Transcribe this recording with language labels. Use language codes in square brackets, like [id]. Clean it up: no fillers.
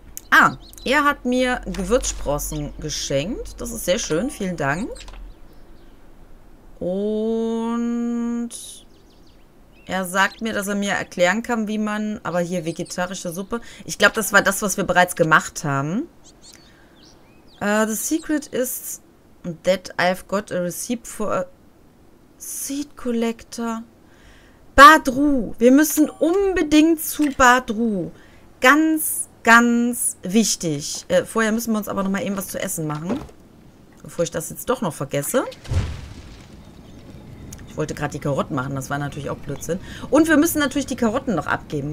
[de] Ah, er hat mir Gewürzsprossen geschenkt. Das ist sehr schön. Vielen Dank. Und er sagt mir, dass er mir erklären kann, wie man, aber hier vegetarische Suppe. Ich glaube, das war das, was wir bereits gemacht haben. [en] The secret is that I've got a receipt for a seed collector. [de] Badru, wir müssen unbedingt zu Badru. Ganz, ganz wichtig. Vorher müssen wir uns aber noch mal eben was zu essen machen, bevor ich das jetzt doch noch vergesse. Ich wollte gerade die Karotten machen, das war natürlich auch Blödsinn. Und wir müssen natürlich die Karotten noch abgeben.